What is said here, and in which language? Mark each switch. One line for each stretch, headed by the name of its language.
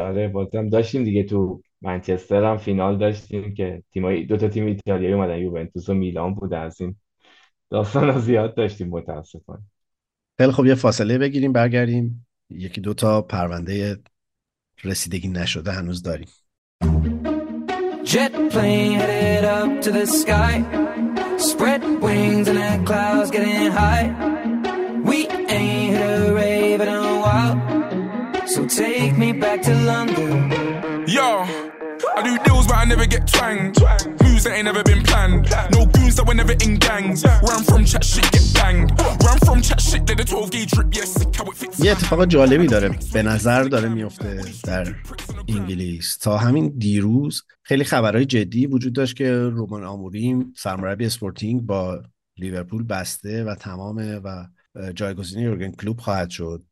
Persian: آره بازم داشتیم دیگه تو منچستر هم فینال داشتیم که تیمای دو تا تیم ایتالیایی اومدن، یوونتوس و میلان بود. از این داستان زیاد داشتیم متاسفانه. خیلی خب یه فاصله بگیریم برگردیم، یکی دو تا پرونده رسیدگی نشده هنوز داریم.
English: Jet plane headed up to the sky, spread wings and the clouds getting high. We ain't hit a rave in a while, so take me back to London. Yo, I do deals but I never get twanged. Moves that ain't never been planned. No goons that were never in gangs. Where I'm from, chat shit get banged. Where I'm from, chat shit did a 12 gauge drip. Yes, how it fits.
Persian: یه اتفاق جالبی داره به نظر داره میفته در انگلیس. تا همین دیروز خیلی خبرهای جدی وجود داشت که رومان آموریم سرمربی اسپورتینگ با لیورپول بسته و تمامه و جایگزین یورگن کلوپ خواهد شد.